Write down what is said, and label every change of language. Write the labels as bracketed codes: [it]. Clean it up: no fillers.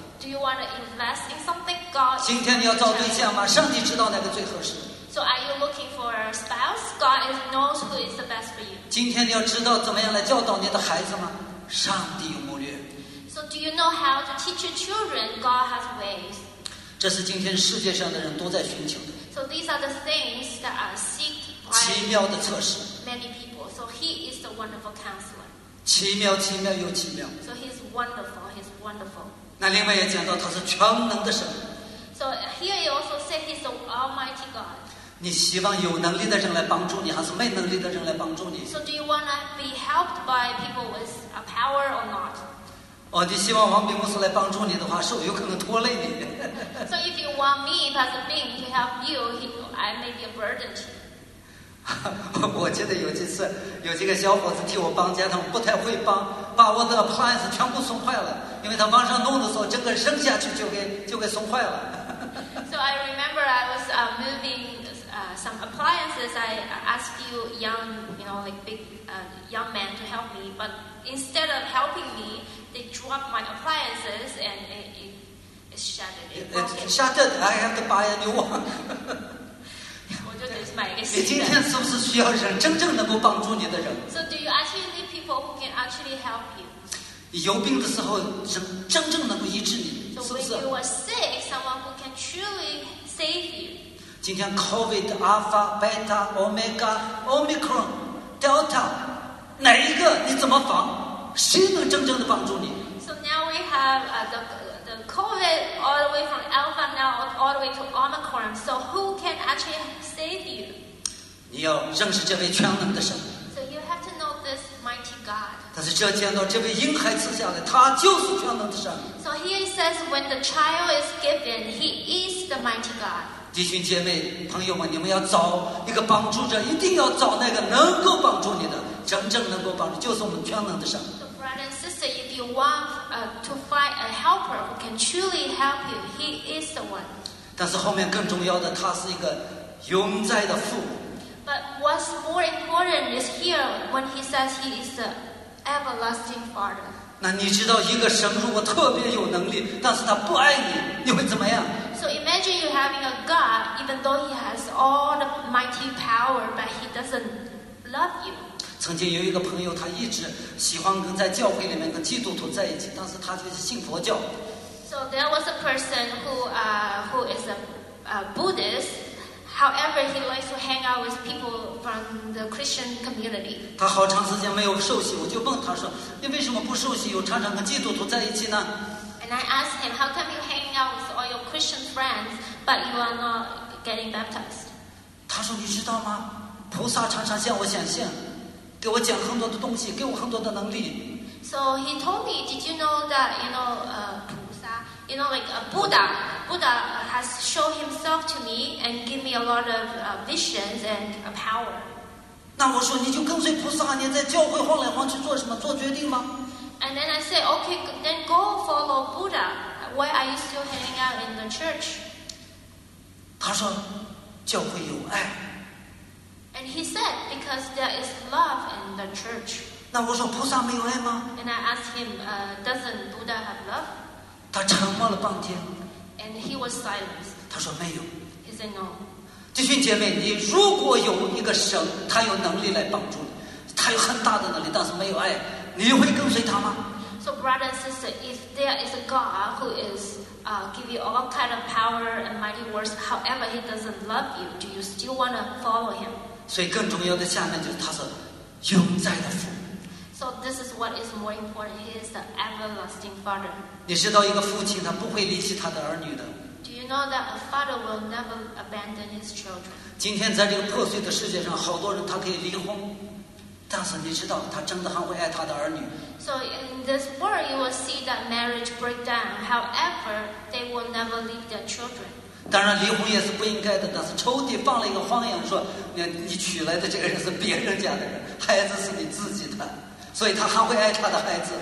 [en] Do you want to invest in something, God? [zh] 今天你要找对象吗？上帝知道哪个最合适。 [en] So are you looking for a spouse? God knows who is the best for you. [zh] 今天你要知道怎么样来教导你的孩子吗？上帝有谋略。 [en] So do you know how to teach your children? God has ways. [zh] 这是今天世界上的人都在寻求的。 [en] So these are the things that are seeked by [zh] 奇妙的测试。 [en] Many people. So he is the wonderful counselor. [zh] 奇妙，奇妙又奇妙。 [en] So he's wonderful. He's wonderful. [zh] 那另外也讲到他是全能的神。 [en] So here you also say he's the Almighty God. [zh] 你希望有能力的人来帮助你，还是没能力的人来帮助你 [en] ？So do you want to be helped by people with a power or not？ [zh] 哦，你希望王炳牧师来帮助你的话，是有可能拖累你。 [en] So if you want me, Pastor Bing, to help you, I may be a burden to you. [zh] 我记得有几次，有几个小伙子替我帮家，他们不太会帮，把我的 appliance 全部送坏了。因为他往上弄的时候，整个扔下去就给送坏了。 [en] So I remember I was moving some appliances. I asked you young, you know, like big young man to help me, but instead of helping me, they dropped my appliances and it shattered. It shattered. I have to buy a new one. [zh] 我就得买一个新的。你今天是不是需要人真正能够帮助你的人 [en] ？So do you actually need people who can actually help you? [zh] 有病的时候，真正能够医治你，是不是 [en] ？So when you are sick, someone who can truly save you. [zh] 今天 COVID Alpha Beta Omega Omicron Delta 哪一个你怎么防？谁能真正的帮助你 [en] ？So now we have the COVID all the way from Alpha now all the way to Omicron. So who can actually save you? [zh] 你要认识这位全能的神。 [en] So you have to know this mighty God. [zh] 但是这见到这位婴孩赐下来，他就是全能的神。 [en] So here he says, when the child is given, he is the mighty God. [zh] 弟兄姐妹朋友们，你们要找一个帮助者，一定要找那个能够帮助你的，真正能够帮助，就是我们全能的神。 [en] So brother and sister, if you want to find a helper who can truly help you, he is the one. [zh] 但是后面更重要的，他是一个永在的父。 [en] But what's more important is here when he says he is theEverlasting Father. [zh] 那你知道一个神如果特别有能力，但是他不爱你，你会怎么样 [en] ？So So imagine you having a God, even though he has all the mighty power, but he doesn't love you. [zh] 曾经有一个朋友，他一直喜欢跟在教会里面跟基督徒在一起，但是他就是信佛教。 [en] So there was a person who is a Buddhist. However, he likes to hang out with people from the Christian community. [zh] 他好长时间没有受洗，我就问他说：“你为什么不受洗，又常常跟基督徒在一起呢？” [en] And I asked him, "How come you hang out with all your Christian friends, but you are not getting baptized?" [zh] 他说：“你知道吗？菩萨常常向我显现，给我讲很多的东西，给我很多的能力。” [en] So he told me, "Did you know that you know Buddha? You know, like a Buddha. Buddha has shown himself to me and give me a lot of visions and power." [zh] 那我说你就跟随菩萨，你在教会晃来晃去做什么？做决定吗 [en] ？And then I said, "Okay, then go follow Buddha. Why are you still hanging out in the church?" [zh] 他说，教会有爱。 [en] And he said, because there is love in the church. [zh] 那我说菩萨没有爱吗 [en] ？And I asked him, doesn't Buddha have love? [zh] 他沉默了半天。 [en] And he was silent. [zh] 他说没有。 [en] He said no. [zh] 弟兄姐妹，你如果有一个神，他有能力来帮助你，他有很大的能力，但是没有爱，你会跟随他吗 [en] ？So brother and sister, if there is a God who is give you all kind of power and mighty words, however he doesn't love you, do you still want to follow him? [zh] 所以更重要的下面就是他是永在的父。 [en] So this is what is more important. He is the everlasting Father. [zh] 你知道一个父亲他不会离弃他的儿女的。 [en] Do you know that a father will never abandon his children? [zh] 今天在这个破碎的世界上，好多人他可以离婚，但是你知道他真的还会爱他的儿女。 [en] So in this world, you will see that marriage break down. However, they will never leave their children. [zh] 当然离婚也是不应该的，但是仇敌放了一个谎言，说 你娶来的这个人是别人家的人，孩子是你自己的，所以他还会爱他的孩子。